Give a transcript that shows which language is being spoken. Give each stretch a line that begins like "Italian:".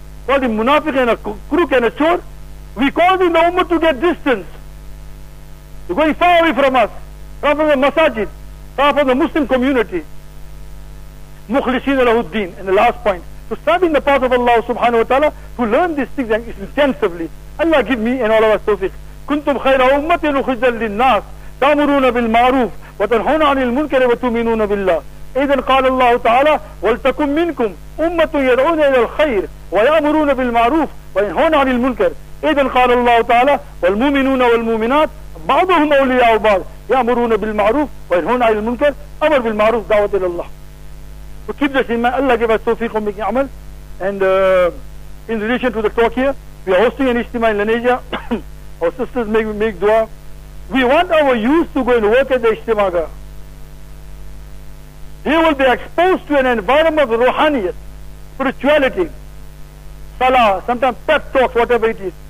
English: Call him munafiq and a crook and a chore. We call him the ummah to get distance. You're going far away from us. Far from the masajid, far from the Muslim community. Mukhlisin al-Huddin. And the last point, to serve in the path of Allah subhanahu wa ta'ala, to learn these things intensively. Allah give me and all of us tawfiq.
Arabic: كنتم خير أمة أخرجت للناس تأمرون بالمعروف وتنهون عن المنكر وتؤمنون بالله. إذا قال الله تعالى ولتكن منكم أمة يدعون إلى الخير ويأمرون بالمعروف وينهون عن المنكر. إذا قال الله تعالى والمؤمنون والمؤمنات بعضهم أولياء بعض يأمرون بالمعروف وينهون عن المنكر أمر بالمعروف دعوة إلى الله.
English: So keep this in mind. Allah give us tawfiq of making amal. And in relation to the talk here, we are hosting an ijtima in Indonesia. Our sisters make dua. We want our youth to go and work at the ijtimaga. They will be exposed to an environment of ruhaniyat, spirituality, salah, sometimes pep talks, whatever it is.